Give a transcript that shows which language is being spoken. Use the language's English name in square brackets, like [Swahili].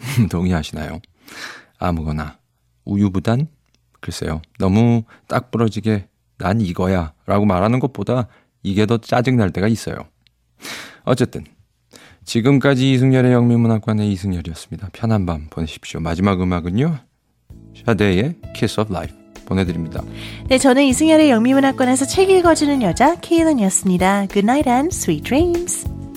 [Korean] 동의하시나요? 아무거나. 우유부단? 글쎄요. 너무 딱 부러지게 난 이거야 라고 말하는 것보다 이게 더 짜증날 때가 있어요. 어쨌든 지금까지 이승열의 영미문학관의 이승열이었습니다. 편한 밤 보내십시오. 마지막 음악은요. 샤데이의 Kiss of Life 보내드립니다. 네, 저는 이승열의 영미문학관에서 책 읽어주는 여자 케일은이었습니다. [English] Good night and sweet dreams.